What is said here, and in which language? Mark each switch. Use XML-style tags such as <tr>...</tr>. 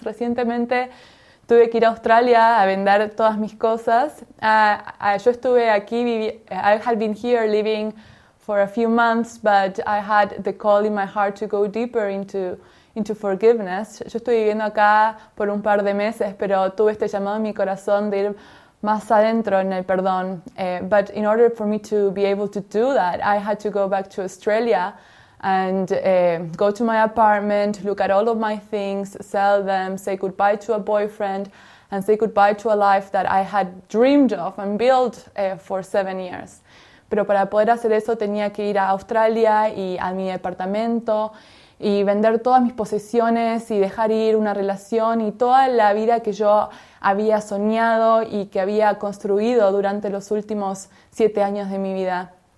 <es>Recientemente tuve que ir a Australia a vender todas mis cosas. Yo estuve aquí,</es> <en>I had been here living for a few months, but I had the call in my heart to go deeper into forgiveness.</en> <es>Yo estoy viviendo acá por un par de meses, pero tuve este llamado en mi corazón de ir más adentro en el perdón.</es> <en>But in order for me to be able to do that, I had to go back to Australia and go to my apartment, look at all of my things, sell them, say goodbye to a boyfriend, and say goodbye to a life that I had dreamed of and built for 7 years.</en> <es>Pero para poder hacer eso tenía que ir a Australia y a mi departamento y vender todas mis posesiones y dejar ir una relación y toda la vida que yo había soñado y que había construido durante los últimos 7 años de mi vida.</es>